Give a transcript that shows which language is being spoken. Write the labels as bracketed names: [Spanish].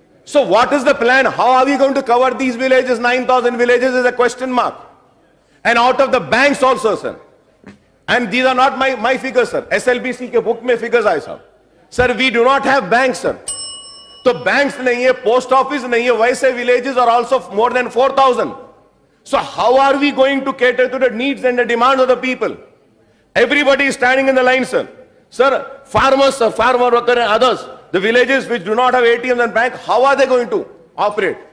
[English] So what is the plan? How are you going to cover these villages? 9,000 villages is a question mark. And out of the banks also sir, and these are not my figure sir, S L B C [Urdu] کے بک میں figure آئے [English] Sir. Sir we do not have bank sir. [Urdu] تو banks نہیں ہے, [English] Post office نہیں ہے, ویسے villages are also more than 4,000. So how are we going to cater to the needs and the demand of the people? Everybody is standing in the line, sir. Sir, farmers, sir, farmer worker and others, the villages which do not have ATMs and bank, how are they going to operate?